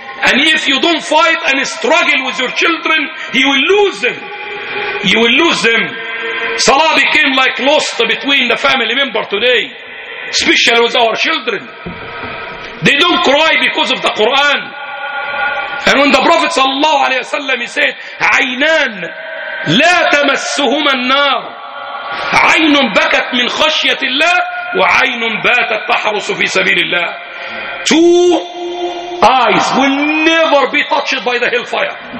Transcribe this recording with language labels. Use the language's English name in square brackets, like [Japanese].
[English] And if you don't fight and struggle with your children, you will lose them. You will lose them. Salah became like lost between the family member today, especially with our children. They don't cry because of the Quran. And when the Prophet sallallahu alayhi wa sallam, he said, [Arabic] عينان لا تمسهما النار عين بكت من خشية الله وعين باتت تحرس في سبيل الله. [English] Two eyes will never be touched by the hellfire.